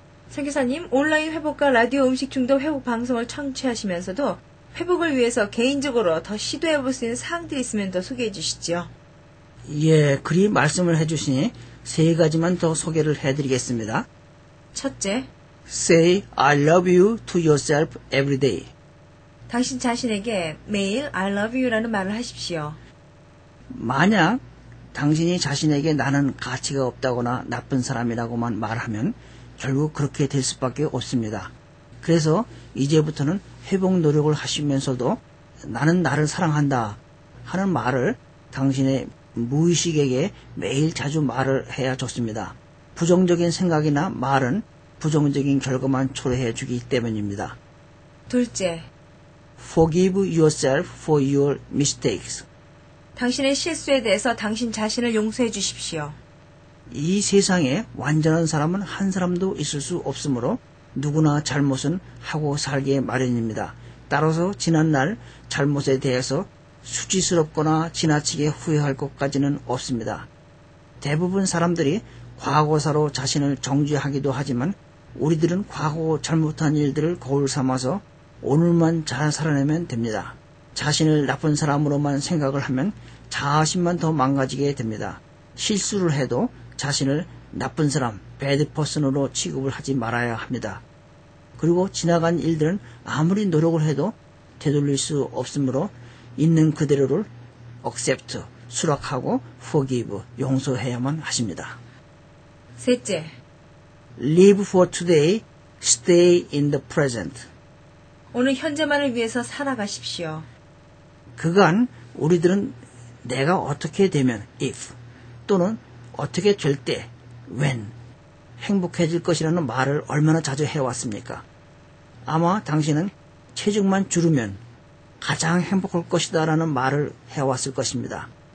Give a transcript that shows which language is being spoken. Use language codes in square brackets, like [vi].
[ko] 선교사님, 온라인 회복과 라디오 음식 중독 회복 방송을 청취하시면서도 회복을 위해서 개인적으로 더 시도해볼 수 있는 사항들이 있으면 더 소개해 주시죠. 예, 그리 말씀을 해주시니 세 가지만 더 소개를 해드리겠습니다. 첫째, [en] Say I love you to yourself every day. [ko] 당신 자신에게 매일 [en] I love you [ko] 라는 말을 하십시오. 만약 당신이 자신에게 나는 가치가 없다거나 나쁜 사람이라고만 말하면 결국 그렇게 될 수밖에 없습니다. 그래서 이제부터는 회복 노력을 하시면서도 나는 나를 사랑한다 하는 말을 당신의 무의식에게 매일 자주 말을 해야 좋습니다. 부정적인 생각이나 말은 부정적인 결과만 초래해 주기 때문입니다. 둘째, [en] Forgive yourself for your mistakes. [ko] 당신의 실수에 대해서 당신 자신을 용서해 주십시오. 이 세상에 완전한 사람은 한 사람도 있을 수 없으므로 누구나 잘못은 하고 살기 마련입니다. 따라서 지난 날 잘못에 대해서 수치스럽거나 지나치게 후회할 것까지는 없습니다. 대부분 사람들이 과거사로 자신을 정죄하기도 하지만 우리들은 과거 잘못한 일들을 거울 삼아서 오늘만 잘 살아내면 됩니다. 자신을 나쁜 사람으로만 생각을 하면 자아심만 더 망가지게 됩니다. 실수를 해도 자신을 나쁜 사람, 배드 퍼슨으로 취급을 하지 말아야 합니다. 그리고 지나간 일들은 아무리 노력을 해도 되돌릴 수 없으므로 있는 그대로를 accept, 수락하고 forgive, 용서해야만 하십니다. 셋째, [en] live for today, stay in the present. [ko] 오늘 현재만을 위해서 살아가십시오. 그간 우리들은 내가 어떻게 되면 if 또는 어떻게 될 때 when 행복해질 것이라는 말을 얼마나 자주 해왔습니까? 아마 당신은 체중만 줄으면 가장 행복할 것이다 라는 말을 해왔을 것입니다.